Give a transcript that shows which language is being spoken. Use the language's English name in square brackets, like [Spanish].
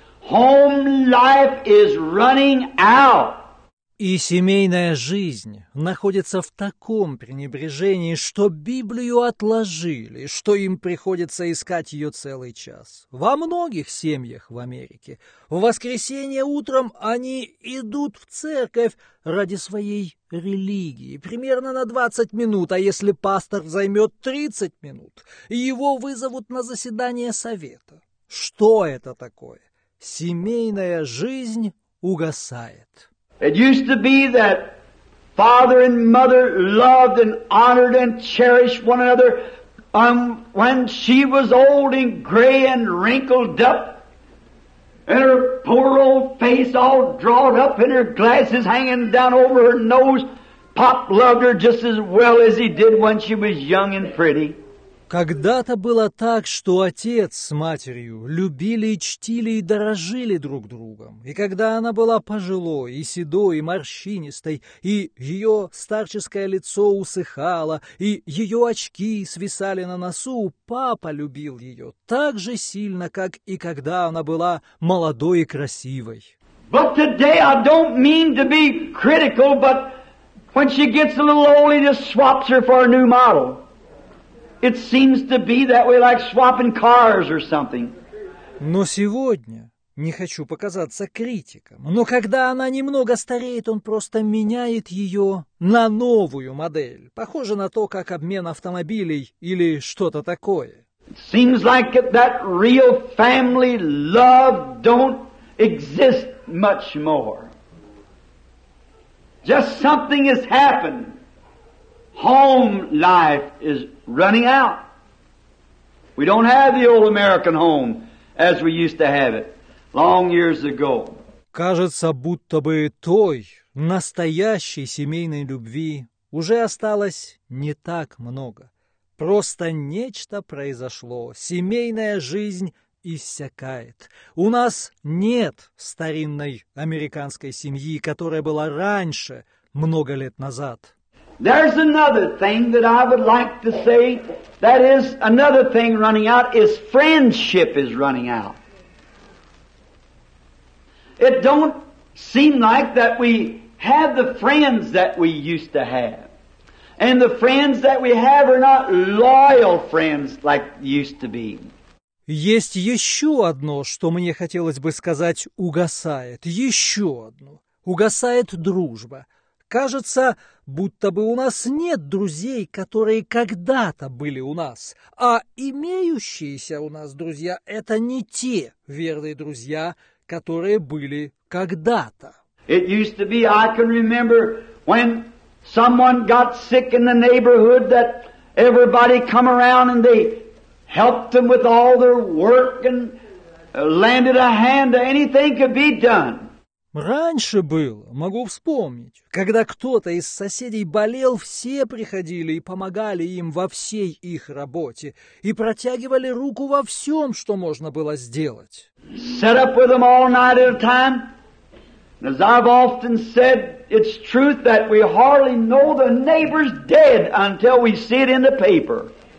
[English] Home life is running out. [Russian] И семейная жизнь находится в таком пренебрежении, что Библию отложили, что им приходится искать ее целый час. Во многих семьях в Америке в воскресенье утром они идут в церковь ради своей религии. Примерно на 20 минут, а если пастор займет 30 минут, его вызовут на заседание совета. Что это такое? Семейная жизнь угасает. [English] It used to be that father and mother loved and honored and cherished one another. When she was old and gray and wrinkled up, and her poor old face all drawn up and her glasses hanging down over her nose, Pop loved her just as well as he did when she was young and pretty. [Russian] Когда-то было так, что отец с матерью любили, чтили и дорожили друг другом. И когда она была пожилой, и седой, и морщинистой, и ее старческое лицо усыхало, и ее очки свисали на носу, папа любил ее так же сильно, как и когда она была молодой и красивой. [English] But today I don't mean to be critical, but when she gets a little old, he just swaps her for a new model. It seems to be that way, like swapping cars or something. [Russian] Но сегодня не хочу показаться критиком. Но когда она немного стареет, он просто меняет ее на новую модель. Похоже на то, как обмен автомобилей или что-то такое. [English] It seems like that real family love don't exist much more. Just something has happened. Home life is running out. We don't have the old American home as we used to have it long years ago. [Russian] Кажется, будто бы той настоящей семейной любви уже осталось не так много. Просто нечто произошло. Семейная жизнь иссякает. У нас нет старинной американской семьи, которая была раньше, много лет назад. [English] There's another thing that I would like to say, that is another thing running out, is friendship is running out. It don't seem like that we have the friends that we used to have. And the friends that we have are not loyal friends like used to be. [Russian] Есть еще одно, что мне хотелось бы сказать, угасает. Еще одно. Угасает дружба. Кажется, будто бы у нас нет друзей, которые когда-то были у нас. А имеющиеся у нас друзья – это не те верные друзья, которые были когда-то. [English] It used to be, I can remember, when someone got sick in the neighborhood, that everybody come around and they helped them with all their work and landed a hand, anything could be done. [Russian] Раньше было, могу вспомнить, когда кто-то из соседей болел, все приходили и помогали им во всей их работе и протягивали руку во всем, что можно было сделать. [English] Set up with them all night at a time. As I've often said, it's truth that we hardly know the neighbor's dead until we see it in the paper.